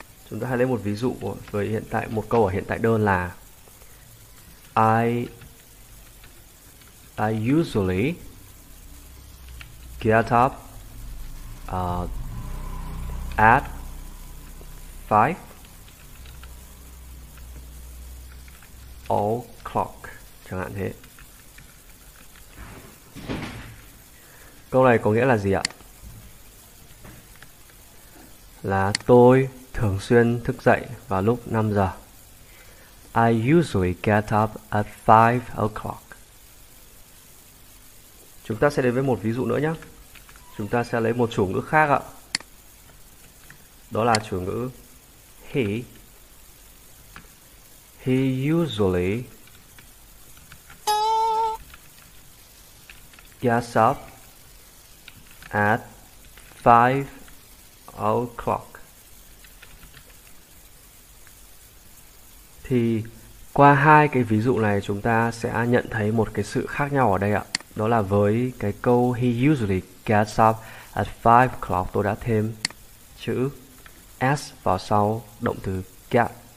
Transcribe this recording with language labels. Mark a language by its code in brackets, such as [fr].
[vi] Chúng ta hãy lấy một ví dụ với hiện tại, một câu ở hiện tại đơn là [en] I usually get up at 5 o'clock, [vi] chẳng hạn thế. Câu này có nghĩa là gì ạ? Là tôi thường xuyên thức dậy vào lúc 5 giờ. [en] I usually get up at 5 o'clock. [vi] Chúng ta sẽ đến với một ví dụ nữa nhé. Chúng ta sẽ lấy một chủ ngữ khác ạ. Đó là chủ ngữ he. [en] He usually gets up at 5 o'clock. [vi] Thì qua hai cái ví dụ này chúng ta sẽ nhận thấy một cái sự khác nhau ở đây ạ. Đó là với cái câu [en] he usually gets up at 5 o'clock, [vi] tôi đã thêm chữ s vào sau động từ get.